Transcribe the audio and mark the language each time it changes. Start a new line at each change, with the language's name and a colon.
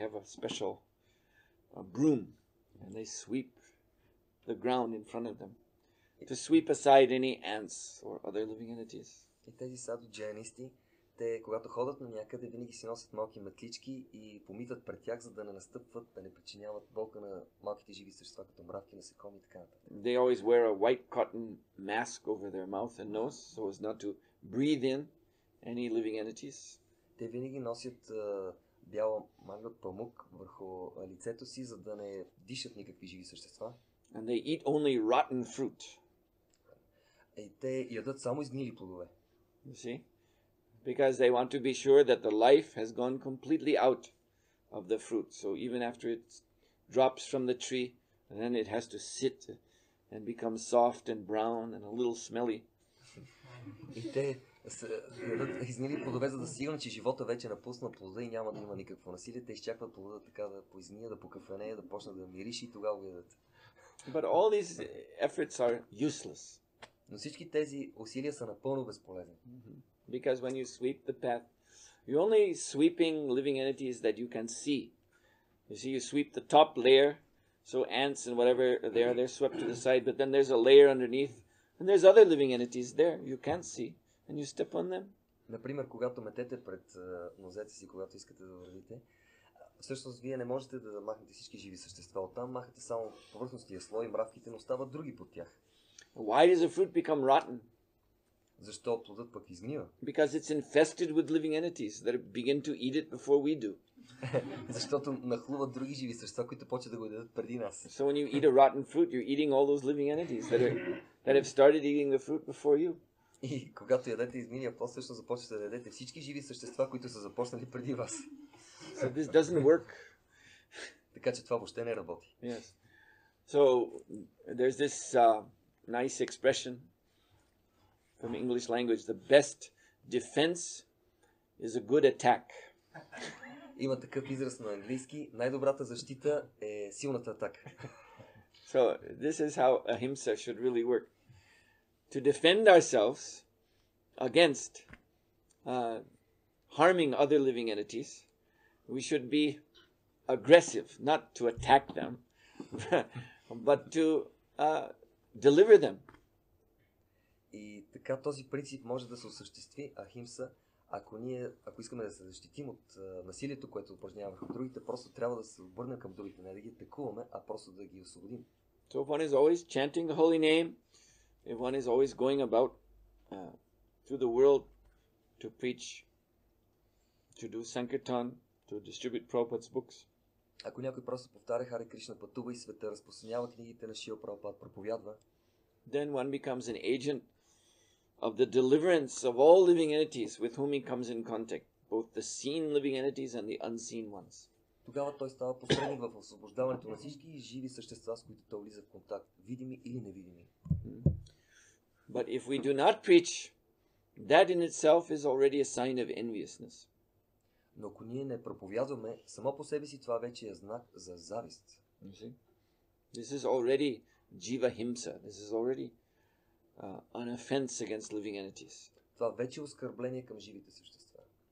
English: They have a special a broom, and they sweep the ground in front of them to sweep aside any ants or other living entities.
Bulgarian: И тези саду джайнисти, те когато ходят на някъде, винаги си носят малки метлички и помитат пред тях, за да не настъпват, да не причиняват болка на малките живи същества, като мравки, насекоми и така.
English: They always wear a white cotton mask over their mouth and nose, so as not to breathe in any living entities.
Bulgarian: Те винаги носят бяла мангът памук върху лицето си, за да не дишат никакви живи същества.
English: And they eat only rotten fruit.
Bulgarian: И те ядат само изгнили плодове.
English: You see? Because they want to be sure that the life has gone completely out of the fruit. So even after it drops from the tree, then it has to sit and become soft and brown and a little smelly.
Bulgarian: И те изгнили плодове, за да са сигурни, че живота вече е напуснал плода и няма да има никакво насилие. Те изчакват плода така да поизния, да покафене, да почне да мириши и тогава го ядат.
English: But all these efforts are useless.
Bulgarian: Но всички тези усилия са напълно безполезни.
English: Because when you sweep the path, you're only sweeping living entities that you can see. You see, you sweep the top layer, so ants and whatever they're swept to the side, but then there's a layer underneath, and there's other living entities there you can't see. And you step on them.
Bulgarian: Например, когато метете пред нозете си, когато искате да вървите, всъщност вие не можете да махнете всички живи същества оттам, махате само повърхностния слой, мравките, но остават други под тях.
English: Why does a fruit become rotten?
Bulgarian: Защо плодът пък изгнива?
English: Because it's infested with living entities that begin to eat it before we do.
Bulgarian: Защото нахлуват други живи същества, които почват да го ядат преди нас.
English: So when you eat a rotten fruit, you're eating all those living entities that have started eating the fruit before you.
Bulgarian: И когато ядете изминия пост, всъщност започвате да ядете всички живи същества, които са започнали преди вас.
English: So this doesn't work.
Bulgarian: Така че това въобще не работи.
English: Yes. So there's this nice expression from English language, the best defense is a good attack.
Bulgarian: Има такъв израз на английски, най-добрата защита е силната атака.
English: So this is how ahimsa should really work. To defend ourselves against harming other living entities, we should be aggressive, not to attack them, but to deliver them.
Bulgarian: И така този принцип може да се осъществи ахимса, ако ние, ако искаме да се защитим от насилието, което упражняваме върху другите, просто трябва да се обърнем към другите, не да ги атакуваме, а просто да ги освободим.
English: So if one is always chanting the holy name, if one is always going about through the world to preach, to do sankirtan, to distribute Prabhupada's books.
Bulgarian: Ако някой просто повтаря Харе Кришна, пътува и света, разпространява книгите на Шрила Прабхупад, проповядва,
English: then one becomes an agent of the deliverance of all living entities with whom he comes in contact, both the seen living entities and the unseen ones.
Bulgarian: Тогава той става посредник в освобождаването на всички живи същества, с които той влиза в контакт, видими или невидими.
English: But if we do not preach, that in itself is already a sign of enviousness.
Bulgarian: Но ако ние не проповядваме, само по себе си това вече е знак за завист.
English: You see? This is already jiva himsa. This is already an offense against living entities.
Bulgarian: Това вече е оскърбление към живите същества.